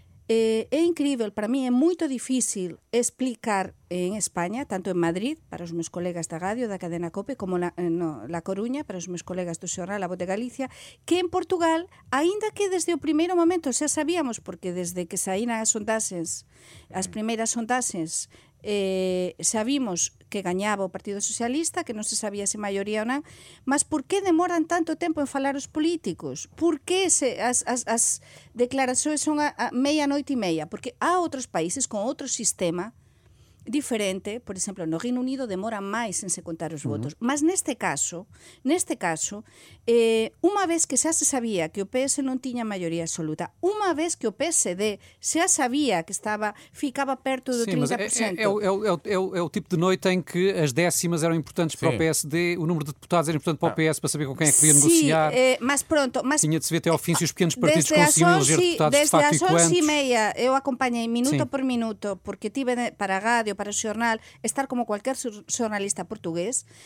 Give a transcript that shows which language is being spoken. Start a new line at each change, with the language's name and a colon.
Portuguese: É incrível, para mim é muito difícil explicar em Espanha, tanto em Madrid, para os meus colegas da rádio, da cadena COPE, como La Coruña, para os meus colegas do jornal La Voz de Galicia, que em Portugal, ainda que desde o primeiro momento, já sabíamos, porque desde que saíram as sondagens, as primeiras sondagens, sabíamos que ganhava o Partido Socialista,
Galician: que non se sabía se maioria ou non, mas por que demoran tanto tempo en falar os políticos?
Portuguese: Por que as declarações son a meia noite e meia?
Galician: Porque há outros países con outro sistema diferente, por exemplo, no Reino Unido demora máis en se contar os votos. Mas neste caso, unha vez que xa se sabía que o PS non tiña maioria absoluta, unha vez que o PSD xa sabía que ficaba perto do 30%.
Portuguese: É o tipo de noite em que as décimas eram importantes para o PSD, o número de deputados era importante para o PS para saber com quem é que podia negociar. Mas tinha de se ver até ao fim se os pequenos partidos conseguiam eleger deputados de facto. Desde as 11:30 eu acompanhei minuto por minuto, porque tive para a rádio, para o jornal, estar como qualquer jornalista português.